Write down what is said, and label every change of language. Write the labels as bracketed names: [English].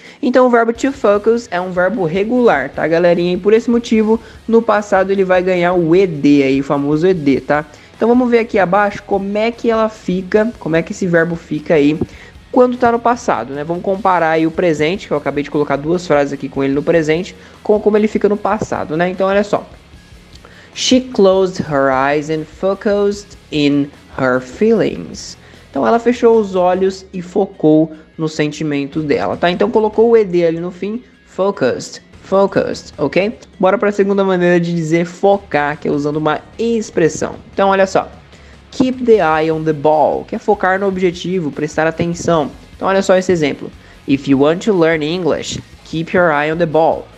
[Portuguese] Então, o verbo to focus é um verbo regular, tá, galerinha? E por esse motivo, no passado, ele vai ganhar o ED aí, o famoso ED, tá? Então, vamos ver aqui abaixo como é que ela fica, como é que esse verbo fica aí quando tá no passado, né? Vamos comparar aí o presente, que eu acabei de colocar duas frases aqui com ele no presente, com como ele fica no passado, né? Então, olha só. [English] She closed her eyes and focused in her feelings. [Portuguese] Então, ela fechou os olhos e focou no sentimento dela, tá? Então, colocou o ED ali no fim, focused, focused, ok? Bora para a segunda maneira de dizer focar, que é usando uma expressão. Então, olha só. [English] Keep the eye on the ball, [Portuguese] que é focar no objetivo, prestar atenção. Então, olha só esse exemplo. [English] If you want to learn English, keep your eye on the ball.